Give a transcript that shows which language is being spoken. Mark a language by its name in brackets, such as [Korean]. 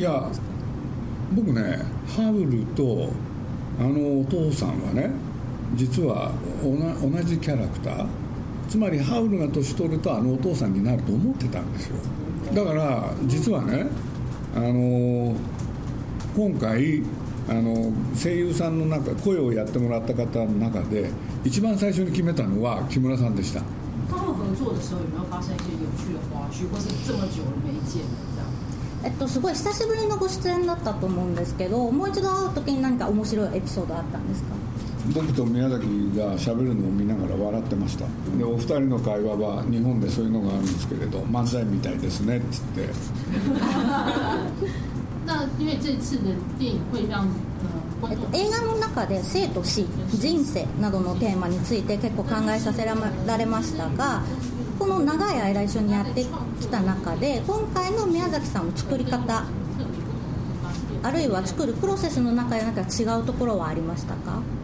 [Japanese] いや、僕ね、ハウルとあのお父さんはね実は同じキャラクター、つまりハウルが年取るとあのお父さんになると思ってたんですよ。だから実はね、今回、声優さんの中声をやってもらった方の中で一番最初に決めたのは木村さんでした。 [Chinese] 他们合作的时候有没有发生一些有趣的花絮或是这么久了没见 [Japanese] すごい久しぶりのご出演だったと思うんですけど、もう一度会う時に何か面白いエピソードあったんですか？僕と宮崎が喋るのを見ながら笑ってました。でお二人の会話は日本でそういうのがあるんですけれど、漫才みたいですねって言って。 [Chinese] 那因为这次的电影会让 [Japanese] 映画の中で生と死、人生などのテーマについて結構考えさせられましたが、この長い間一緒にやってきた中で今回の宮崎さんの作り方あるいは作るプロセスの中で何か違うところはありましたか？